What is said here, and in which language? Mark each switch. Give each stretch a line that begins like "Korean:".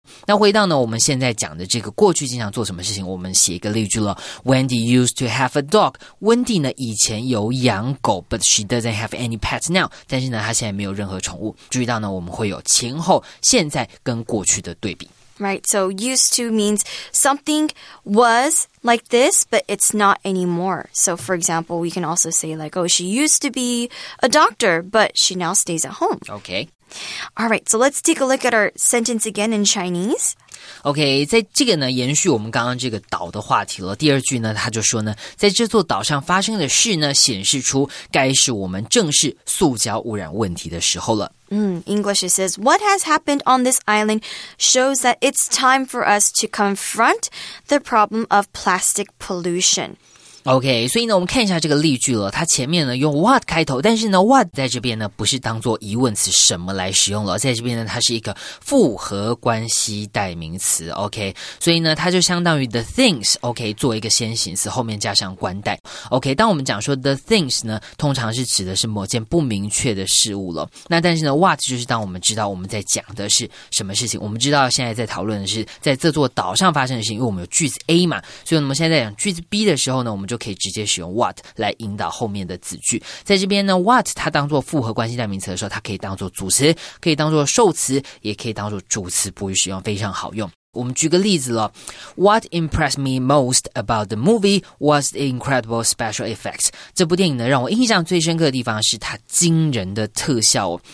Chinese: 那回到呢我们现在讲的这个过去经常做什么事情，我们写一个例句了。
English: Wendy used to have a dog，
Chinese: Wendy 呢以前有养狗，
English: but she doesn't have any pets now，
Chinese: 但是呢她现在没有任何宠物。注意到呢我们会有前后现在跟过去的对比。
English: Right, so used to means something was like this, but it's not anymore. So, for example, we can also say like, oh, she used to be a doctor, but she now stays at home. Okay. All right, so let's take a look at our sentence again in Chinese.
Chinese: OK， 在这个呢延续我们刚刚这个岛的话题了。第二句呢他就说呢，在这座岛上发生的事呢显示出该是我们正视塑胶污染问题的时候了。
English: English says, what has happened on this island shows that it's time for us to confront the problem of plastic pollution.
Chinese: OK， 所以呢我们看一下这个例句了。它前面呢用 what 开头，但是呢 what 在这边呢不是当做疑问词什么来使用了，在这边呢它是一个复合关系代名词， OK， 所以呢它就相当于 the things， OK， 做一个先行词，后面加上冠代， OK。当我们讲说 the things 呢通常是指的是某件不明确的事物了，那但是呢 what 就是当我们知道我们在讲的是什么事情，我们知道现在在讨论的是在这座岛上发生的事情，因为我们有句子 A 嘛，所以我们现在在讲句子 B 的时候呢，我们就可以直接使用 what 来引导后面的子句。在这边呢 what 它当作复合关系代名词的时候，它可以当作主词，可以当作受词，也可以当作主词补语使用，非常好用。我们举个例子了，
English: What impressed me most about the movie was the incredible special effects。
Chinese: 这部电影呢让我印象最深刻的地方是它惊人的特效哦。